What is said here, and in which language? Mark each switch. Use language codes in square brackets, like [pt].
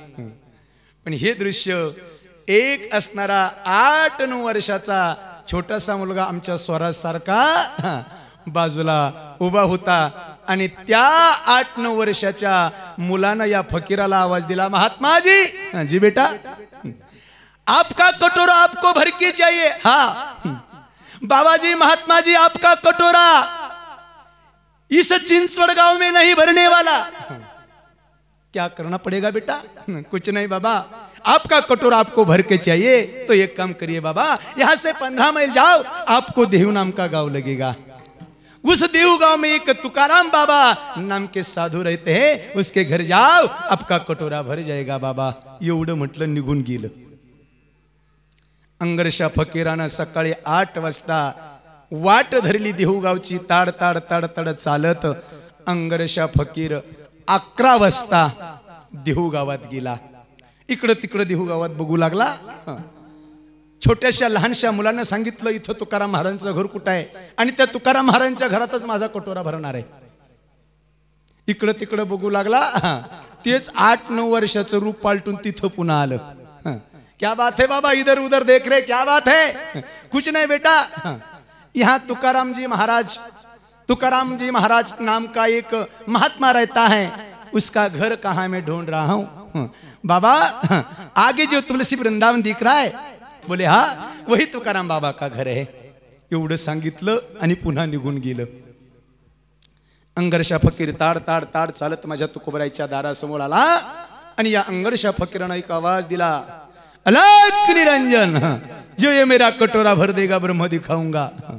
[mr] पण हे दृश्य एक असणारा 8-9 वर्षाचा छोटासा मुलगा आमच्या स्वराज सारखा बाजूला उभा होता आणि त्या 8-9 वर्षाच्या मुलानं या फकीराला आवाज दिला, महात्मा जी, [hi] जी बेटा, आपका कटोरा आपको भर के चाहिए. हा बाबाजी, महात्मा जी, आपका कटोरा इस चिंचवड गांव में नहीं भरने वाला. क्या करना पड़ेगा बेटा? कुछ नहीं बाबा, आपका कटोरा आपको भर के चाहिए तो एक काम करिए बाबा, यहां से 15 मील जाओ, आपको देव नाम का गांव लगेगा. उस देव गांव में एक तुकाराम बाबा नाम के साधु रहते हैं, उसके घर जाओ, आपका कटोरा भर जाएगा बाबा. [mr] एवढं म्हटलं निघून गेलं. अंगर्षा फकीरानं सकाळी 8 वाजता वाट धरली देहूगावची, ताड ताड ताड ताड चालत अंगर्षा फकीर 11 वाजता देहूगावात गेला. इकडं तिकडं देहूगावात बघू लागला. छोट्याशा लहानशा मुलांना सांगितलं इथं तुकाराम महाराजांचं घर कुठं आहे आणि त्या तुकाराम महाराजांच्या घरातच माझा कटोरा भरणार आहे. इकडं तिकडं बघू लागला. तेच 8-9 वर्षाचं रूप पालटून तिथं पुन्हा आलं. [hi] क्या बात है बाबा, इधर उधर देख रहे, क्या बात है? कुछ नहीं बेटा, यहाँ तुकाराम जी महाराज, तुकाराम जी महाराज नाम का एक महात्मा रहता है, उसका घर कहाँ मैं ढूंढ रहा हूँ. बाबा आगे जो तुलसी वृंदावन दिख रहा है, बोले हाँ वही तुकाराम बाबा का घर है. [mr] एवढं सांगितलं आणि पुन्हा निघून गेलं. अंगर्षा फकीर ताड ताड ताड चालत माझ्या तुकोबराईच्या दारासमोर आला आणि या अंगर्षा फकीरानं एक आवाज दिला, अलक निरंजन, [hi] जो ये मेरा कटोरा भर देगा ब्रह्म दिखाऊंगा.